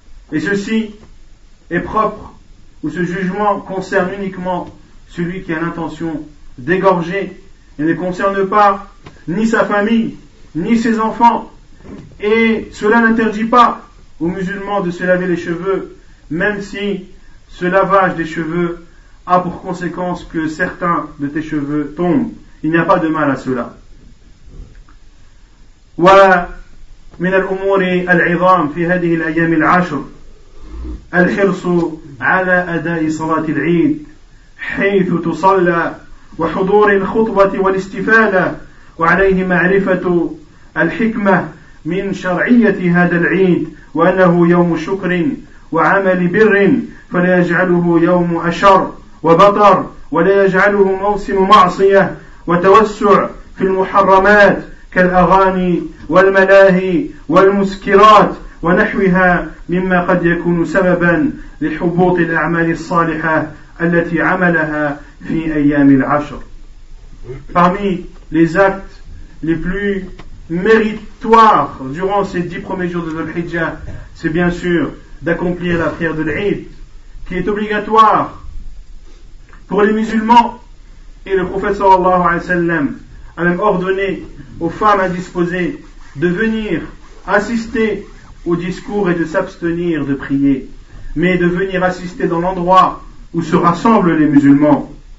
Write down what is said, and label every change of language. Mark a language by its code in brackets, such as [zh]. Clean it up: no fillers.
[fr] Et ceci est propre, ou ce jugement concerne uniquement celui qui a l'intention d'égorger, et ne concerne pas ni sa famille, ni ses enfants. Et cela n'interdit pas aux musulmans de se laver les cheveux, même si ce lavage des cheveux a pour conséquence que certains de tes cheveux tombent. Il n'y a pas de mal à cela. [ar] Voilà, من الأمور العظام في هذه الأيام العشر الحرص على أداء صلاة العيد حيث تصلى وحضور الخطبة والاستفادة وعليه معرفة الحكمة من شرعية هذا العيد وأنه يوم شكر وعمل بر فلا يجعله يوم أشر وبطر ولا يجعله موسم معصية وتوسع في المحرمات كالأغاني والملاهي والمسكرات ونحوها مما قد يكون سببا لحبوط الأعمال الصالحة التي عملها في أيام العشر. [fr] Parmi les actes les plus méritoires durant ces 10 premiers jours de Dhul-Hijjah, c'est bien sûr d'accomplir la prière de l'Aïd, qui est obligatoire pour les musulmans. Et le prophète sallallahu alayhi wa sallam a même ordonné aux femmes indisposées de venir assister au discours et de s'abstenir de prier, mais de venir assister dans l'endroit où se rassemblent les musulmans.